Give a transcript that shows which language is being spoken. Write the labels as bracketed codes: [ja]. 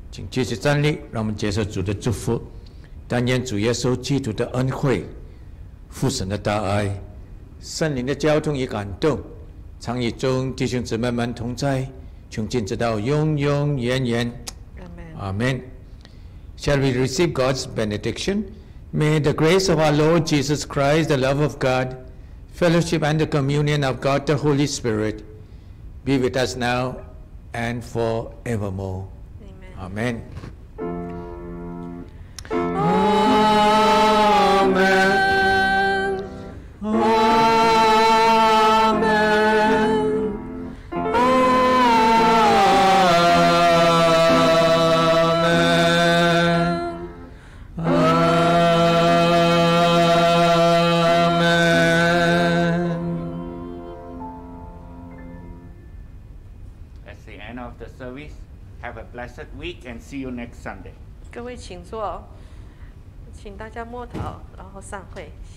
[zh] 继续站立，让我们接受主的祝福。但愿主耶稣基督的恩惠、父神的大爱、圣灵的交通与感动，常与众弟兄姊妹们同在，从今直到永永远远。 [en] Amen. Shall we receive God's benediction? May the grace of our Lord Jesus Christ, the love of God, fellowship and the communion of God the Holy Spirit be with us now and forevermore. Amen. Amen. Amen. Amen. Amen. That's the end of the service. Have a blessed week and see you next Sunday. [zh] 各位请坐，请大家默祷，然后散会。